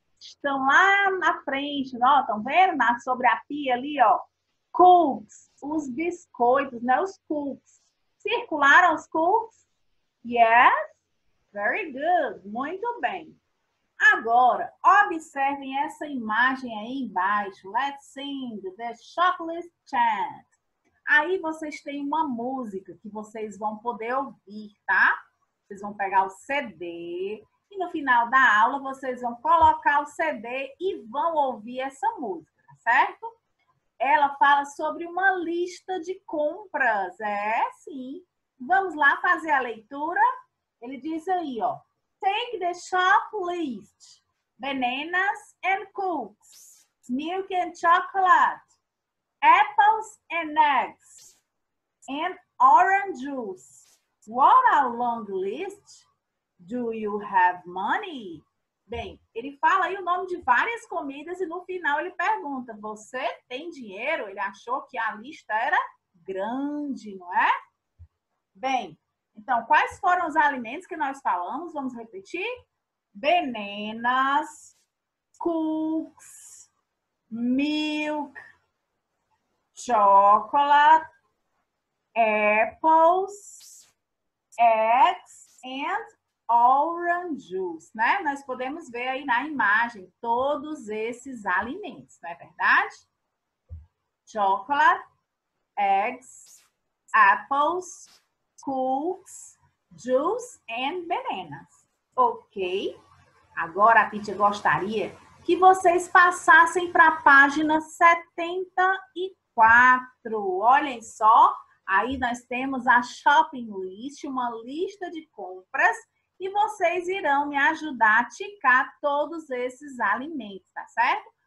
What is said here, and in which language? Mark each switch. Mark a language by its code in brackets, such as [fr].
[pt] Estão lá na frente, ó, estão vendo? Sobre a pia ali, ó. Cooks, os biscoitos, né? Os cooks. Circularam os cooks? [en] Yes. Very good. [pt] Muito bem. Agora, observem essa imagem aí embaixo. [en] Let's sing the shopless chant. [pt] Aí vocês têm uma música que vocês vão poder ouvir, tá? Vocês vão pegar o CD e E no final da aula, vocês vão colocar o CD e vão ouvir essa música, certo? Ela fala sobre uma lista de compras. É, sim. Vamos lá fazer a leitura? Ele diz aí, ó. [en] Take the shop list. Bananas and cookies. Milk and chocolate. Apples and eggs. And orange juice. What a long list. Do you have money? [pt] Bem, ele fala aí o nome de várias comidas e no final ele pergunta, você tem dinheiro? Ele achou que a lista era grande, não é? Bem, então quais foram os alimentos que nós falamos? Vamos repetir? [en] Bananas, cookies, milk, chocolate, apples, eggs and orange juice, né? [pt] Nós podemos ver aí na imagem todos esses alimentos, não é verdade? [en] Chocolate, eggs, apples, cookies, juice and bananas. [pt] Ok, agora a Pitty gostaria que vocês passassem para a página 74. Olhem só, aí nós temos a shopping list, uma lista de compras. E vocês irão me ajudar a ticar todos esses alimentos, tá certo?